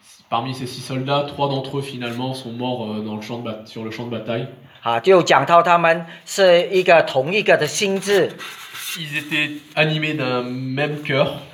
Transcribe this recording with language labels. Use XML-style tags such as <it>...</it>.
<fr>Parmi ces 6 soldats, 3 d'entre eux, finalement, sont morts sur le champ de bataille.</fr> <zh>就讲到他们是一个同一个的心智.</zh> <fr>Ils étaient animés d'un même cœur.</fr>